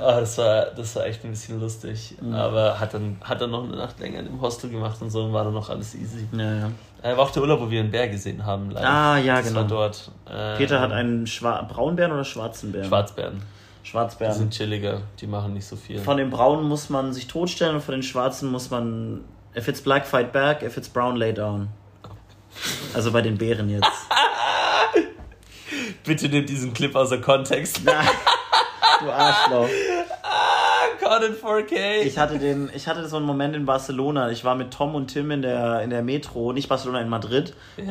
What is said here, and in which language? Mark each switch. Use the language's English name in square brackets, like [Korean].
[German] Oh, das war echt ein bisschen lustig, aber hat dann noch eine Nacht länger im Hostel gemacht und so und war dann noch alles easy. Ja, ja. War auch der Urlaub, wo wir einen Bär gesehen haben. Live. Ah, ja, das genau. War dort. Peter hat einen Braunbären oder schwarzen Bären? Schwarzbären. Schwarzbären. Die sind chilliger, die machen nicht so viel. Von den Braunen muss man sich totstellen und von den Schwarzen muss man. [English] If it's black, fight back, if it's brown, lay down. [German] Also bei den Bären jetzt. Bitte nimm diesen Clip außer Kontext. Nein. Du Arschloch. [English] Caught in 4K. [German] Ich hatte so einen Moment in Barcelona. Ich war mit Tom und Tim in der Metro, nicht Barcelona, in Madrid. Ja.